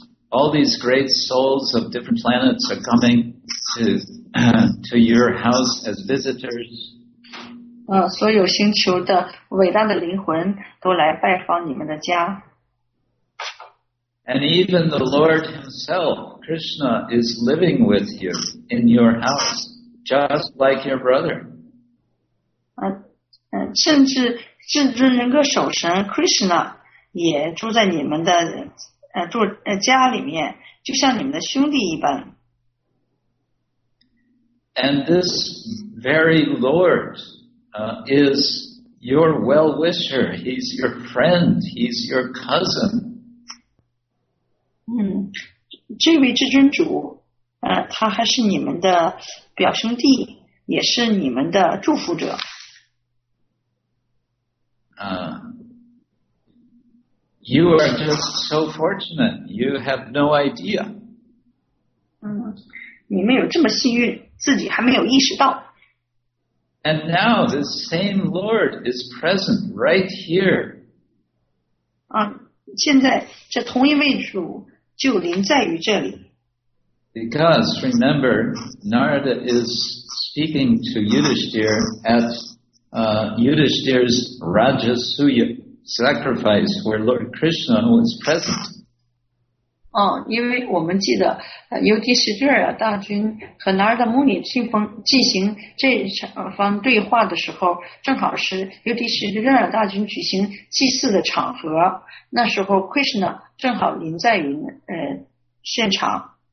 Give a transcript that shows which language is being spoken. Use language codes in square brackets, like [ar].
[en] All these great souls of different planets are coming to your house as visitors. [zh] 所有星球的伟大的灵魂都来拜访你们的家。 [en] And even the Lord Himself, Krishna, is living with you in your house, just like your brother. [zh] 甚至人格守神 Krishna。也住在你们的家里面，就像你们的兄弟一般。 [en] And this very Lord, is your well-wisher. He's your friend. He's your cousin. [zh] 这位至尊主，他还是你们的表兄弟，也是你们的祝福者。 [en] You are just so fortunate. You have no idea. [zh] 你们有这么幸运，自己还没有意识到。 [en] And now this same Lord is present right here. [zh] 现在这同一位主就临在于这里。 [en] Because remember, Narada is speaking to Yudhishthir at Yudhishthir's Rajasuya. Sacrifice where Lord Krishna was present. [zh] 因为我们记得尤迪士尔大君和南尔达穆尼进行这方对话的时候，正好是尤迪士尔大君举行祭祀的场合，那时候 Krishna 正好临在于现场。